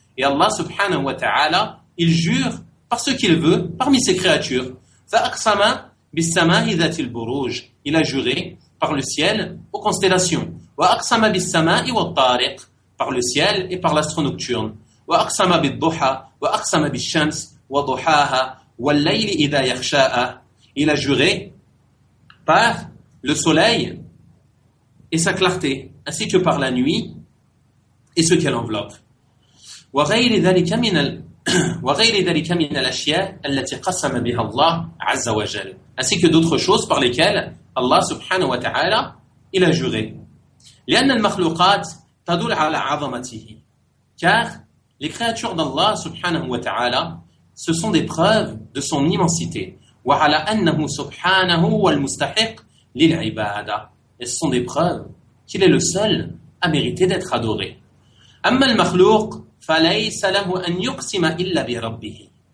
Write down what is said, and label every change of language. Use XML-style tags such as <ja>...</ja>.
<fr>et Allah سبحانه وتعالى il jure par ce qu'il veut parmi ses créatures</fr> <ar>فأقسم بالسماء ذات البروج</ar> <fr>il a juré par le ciel aux constellations</fr> <ar>وأقسم بالسماء والطارق</ar> <fr>par le ciel et par l'astre nocturne</fr> <ar>وأقسم بالضحى وأقسم بالشمس وضحاها والليل إذا يخشاء.</ar> <fr>Il a juré par le soleil et sa clarté, ainsi que par la nuit et ce qu'elle enveloppe.</fr> <ar>وغير ذلك من الأشياء التي قسم بها الله عز وجل.</ar> <fr>Ainsi que d'autres choses par lesquelles Allah سبحانه وتعالى il a juré.</fr> <ar>لأن المخلوقات تدل على عظمته.</ar> <fr>Car les créatures d'Allah سبحانه وتعالى ce sont des preuves de son immensité.</fr> <ar>وَعَلَىٰ أَنَّهُ سُبْحَانَهُ وَالْمُسْتَحِقُ لِلْعِبَادَةِ.</ar> <fr>Ce sont des preuves qu'il est le seul à mériter d'être adoré.</fr> <ar>أَمَّا الْمَخْلُوقُ فَلَيْسَ لَهُ أَنْ يُقْسِمَ إِلَّا بِرَبِّهِ.</ar>